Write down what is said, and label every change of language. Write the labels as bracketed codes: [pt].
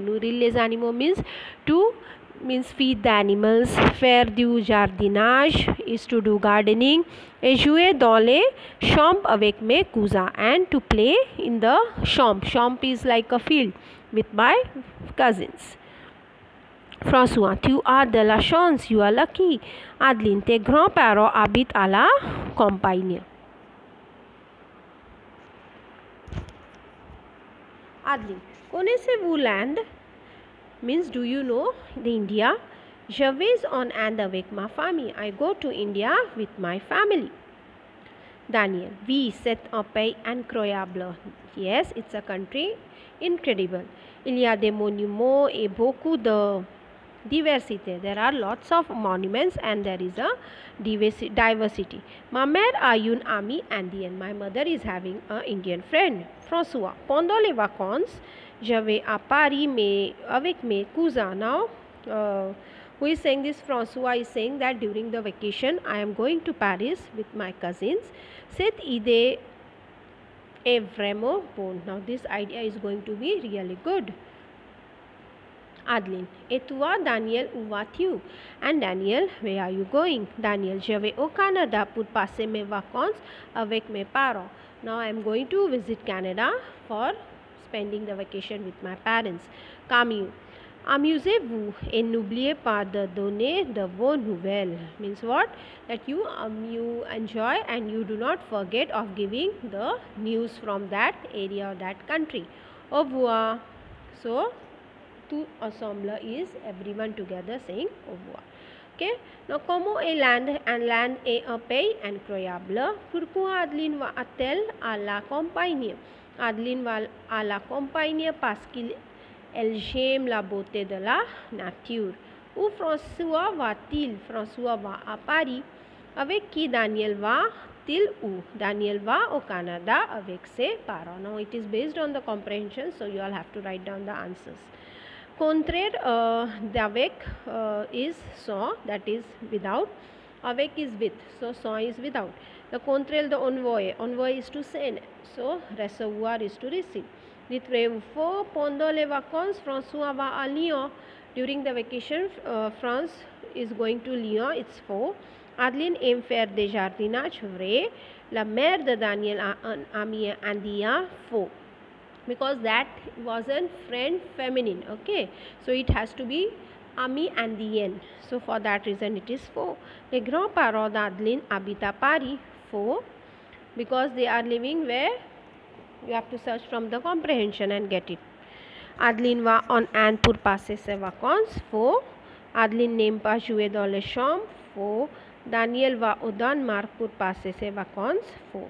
[fr] Nourrir les animaux [en] means feed the animals, [fr] faire du jardinage [en] is to do gardening, [fr] et jouer dans les champs avec mes cousins [en] and to play in the champ. Champ is like a field with my cousins. [fr] François, tu as de la chance, [en] you are lucky. [fr] Adeline, tes grands-parents habitent à la campagne. [en] Adeline, [fr] connaissez-vous l'Inde? [en] Means, do you know the India? [fr] Je vais en Inde avec ma famille. [en] I go to India with my family. [fr] Daniel, oui, c'est un pays incroyable. [en] Yes, it's a country incredible. [fr] Il y a des monuments et beaucoup de diversité. [en] There are lots of monuments and there is a diversity. [fr] Ma mère a une amie indienne. [en] My mother is having an Indian friend. [fr] François, pendant les vacances, je vais à Paris avec mes cousins. [en] Now, who is saying this? François is saying that during the vacation, I am going to Paris with my cousins. [fr] Cette idée est vraiment bonne. [en] Now, this idea is going to be really good. [fr] Adeline, et toi, Daniel, où vas-tu? [en] And Daniel, where are you going? [fr] Daniel, je vais au Canada pour passer mes vacances avec mes parents. [en] Now, I am going to visit Canada for spending the vacation with my parents. [fr] Camille, amusez-vous et n'oubliez pas de donner de vos nouvelles. [en] Means what? That you enjoy and you do not forget of giving the news from that area or that country. Au revoir. So, [fr] tout ensemble [en] is everyone together saying au revoir. Okay. [fr] Now, comment est l'Inde? And l'Inde est un pays incroyable. Pourquoi Adeline va-t-elle à la campagne? Adeline va à la campagne parce qu'elle aime la beauté de la nature. Où François va-t-il? François va à Paris. Avec qui Daniel va-t-il où? Daniel va au Canada avec ses parents. [en] Now, it is based on the comprehension, so you all have to write down the answers. [fr] Contraire d'avec [en] is sans, that is without. Avec is with, so sans is without. The [fr] contraire d'envoy, [en] envoy is to send, so recevoir is to receive. [fr] Litre faux, pendant les vacances, François va à Lyon. [en] During the vacation, France is going to Lyon, it's faux. [fr] Adeline aime faire des jardinages, vrai. La mère de Daniel amie indien, faux. [en] Because that wasn't friend feminine, okay? So it has to be ami and the end. So for that reason, it is faux. [fr] Les grands-parents d'Adeline habitent à Paris, faux. [en] Because they are living where? You have to search from the comprehension and get it. [fr] Adeline va en Inde pour passer ses vacances, faux. Adeline n'aime pas jouer dans les chambres, faux. Daniel va au Danemark pour passer ses vacances, faux.